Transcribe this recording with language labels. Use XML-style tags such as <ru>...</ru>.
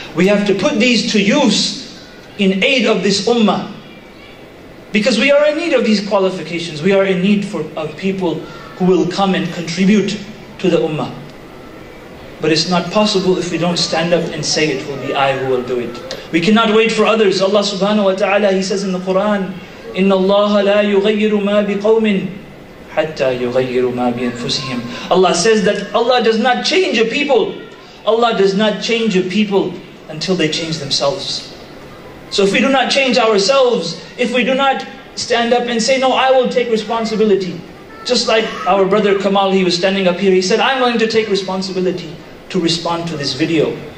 <en>We have to put these to use in aid of this ummah. Because we are in need of these qualifications. We are in need of people who will come and contribute to the ummah. But it's not possible if we don't stand up and say it will be I who will do it. We cannot wait for others. Allah subhanahu wa ta'ala, He says in the Quran,</en> <ar>إِنَّ اللَّهَ لَا يُغَيِّرُ مَا بِقَوْمٍ حَتَّى يُغَيِّرُ مَا بِأَنفُسِهِمْ.</ar> <en>Allah says that Allah does not change a people. Allah does not change a people until they change themselves. So if we do not change ourselves, if we do not stand up and say, no, I will take responsibility. Just like our brother Kamal, he was standing up here. He said, I'm going to take responsibility to respond to this video.</en>